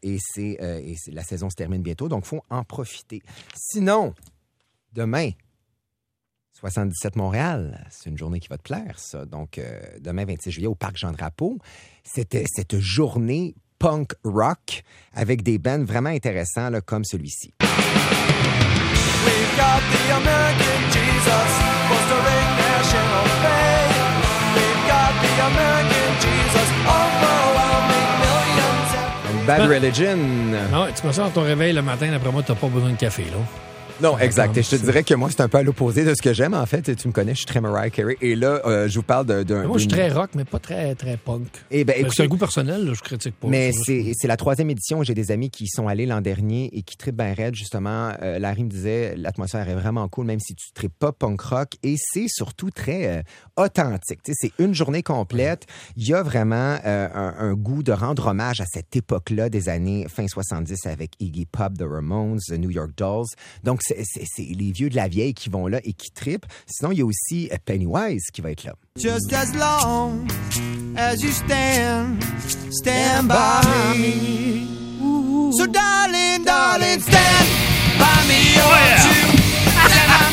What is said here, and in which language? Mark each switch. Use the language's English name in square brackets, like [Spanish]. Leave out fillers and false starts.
[French] Et la saison se termine bientôt. Donc, il faut en profiter. Sinon, demain, 77 Montréal, c'est une journée qui va te plaire, ça. Donc, demain, 26 juillet, au Parc Jean-Drapeau, c'était cette journée punk rock avec des bands vraiment intéressants là, comme celui-ci. [English] We've got the American Jesus, fostering national faith. We've got the American Jesus, overwhelming millions of... Bad Religion. [French] Non, tu me sens dans ton réveil le matin, d'après moi, t'as pas besoin de café, là. Non, exact. Et je te dirais que moi, c'est un peu à l'opposé de ce que j'aime, en fait. Tu me connais, je suis très Mariah Carey. Et là, je vous parle d'un... Moi, je suis très rock, mais pas très, très punk. Et ben, écoute, c'est un goût personnel, là, je critique pas. Mais c'est la troisième édition. J'ai des amis qui y sont allés l'an dernier et qui trippent bien raide, justement. Larry me disait, l'atmosphère est vraiment cool, même si tu ne trippes pas punk rock. Et c'est surtout très authentique. T'sais, c'est une journée complète. Il y a vraiment un goût de rendre hommage à cette époque-là des années fin 70 avec Iggy Pop, The Ramones, The New York Dolls. Donc, c'est les vieux de la vieille qui vont là et qui trippent. Sinon, il y a aussi Pennywise qui va être là. [English] Just as long as you stand, stand by me. So darling, darling, stand by me, oh yeah.